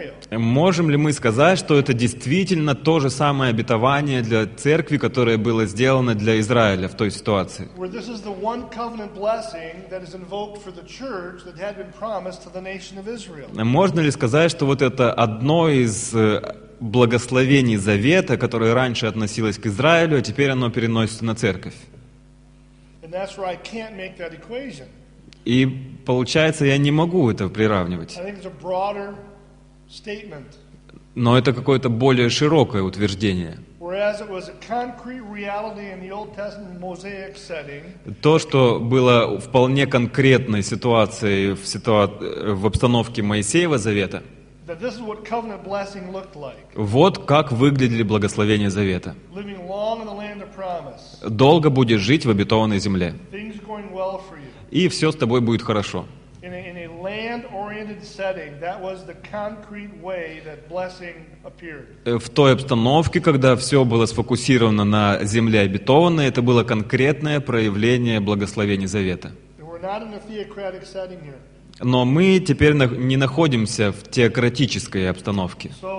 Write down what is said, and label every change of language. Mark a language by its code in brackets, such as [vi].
[ru] Можем ли мы сказать, что это действительно то же самое обетование для церкви, которое было сделано для Израиля в той ситуации? Можно ли сказать, что вот это одно из благословений Завета, которое раньше относилось к Израилю, а теперь оно переносится на церковь? [en] And that's where I can't make that equation. [ru] И получается, я не могу это приравнивать. [en] I think it's a broader statement. [ru] Но это какое-то более широкое утверждение. [en] Whereas it was a concrete reality in the Old Testament mosaic setting. [ru] То, что было вполне конкретной ситуацией в обстановке Моисеева Завета. [en] That this is what covenant blessing looked like. [ru] Вот как выглядели благословения Завета. [en] Living long in the land of promise. [ru] Долго будешь жить в обетованной земле. [en] Things going well for you. [ru] И все с тобой будет хорошо. [en] In a land-oriented setting, that was the concrete way that blessing appeared. [ru] В той обстановке, когда все было сфокусировано на земле обетованной, это было конкретное проявление благословения Завета. [en] We're not in a theocratic setting here. [ru] Но мы теперь не находимся в теократической обстановке.